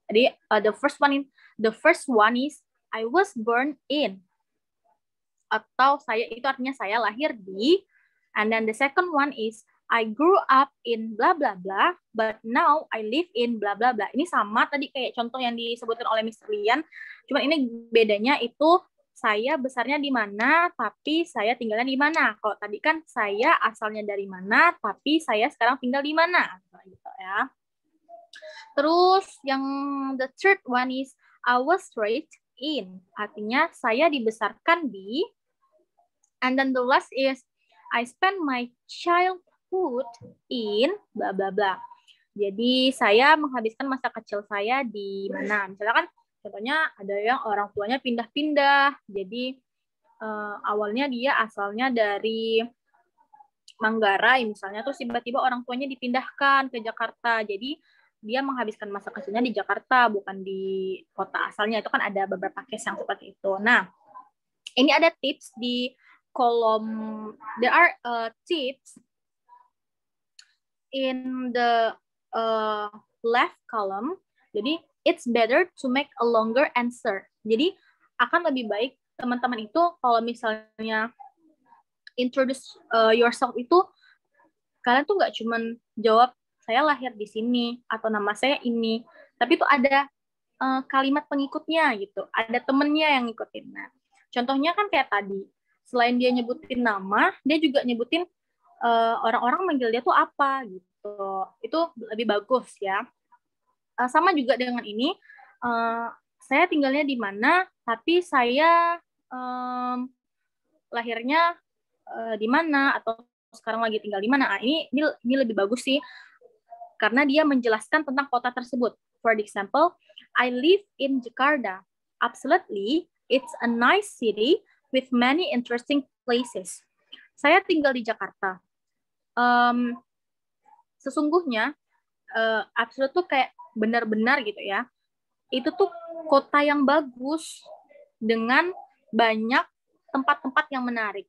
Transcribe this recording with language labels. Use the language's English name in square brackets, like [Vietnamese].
[Indonesian] Jadi [English] the first one is I was born in, [Indonesian] atau saya itu artinya saya lahir di, [English] and then the second one is I grew up in blah blah blah, but now I live in blah blah blah. [Indonesian] Ini sama tadi kayak contoh yang disebutkan oleh Mr. Lian. Cuman ini bedanya itu saya besarnya di mana, tapi saya tinggalnya di mana. Kalau tadi kan saya asalnya dari mana, tapi saya sekarang tinggal di mana. Gitu ya. Terus yang [English] the third one is I was raised in. [Indonesian] Artinya saya dibesarkan di. [English] And then the last is I spend my childhood in bla bla bla. [Indonesian] Jadi saya menghabiskan masa kecil saya di mana? Misalkan contohnya ada yang orang tuanya pindah-pindah. Jadi awalnya dia asalnya dari Manggarai misalnya, terus tiba-tiba orang tuanya dipindahkan ke Jakarta. Jadi dia menghabiskan masa kecilnya di Jakarta, bukan di kota asalnya. Itu kan ada beberapa case yang seperti itu. Nah, ini ada tips di kolom. [English] There are tips in the left column. [Indonesian] Jadi, [English] it's better to make a longer answer. [Indonesian] Jadi, akan lebih baik teman-teman itu kalau misalnya [English] introduce yourself [Indonesian] itu, kalian tuh nggak cuman jawab, saya lahir di sini, atau nama saya ini. Tapi itu ada kalimat pengikutnya, gitu. Ada temennya yang ngikutin. Nah, contohnya kan kayak tadi, selain dia nyebutin nama, dia juga nyebutin orang-orang manggil dia tuh apa, gitu. Itu lebih bagus, ya. Sama juga dengan ini, saya tinggalnya di mana, tapi saya lahirnya di mana, atau sekarang lagi tinggal di mana. Nah, ini lebih bagus sih. Karena dia menjelaskan tentang kota tersebut. [English] For example, I live in Jakarta. Absolutely, it's a nice city with many interesting places. [Indonesian] Saya tinggal di Jakarta. Sesungguhnya, absolutely tuh kayak benar-benar gitu ya. Itu tuh kota yang bagus dengan banyak tempat-tempat yang menarik.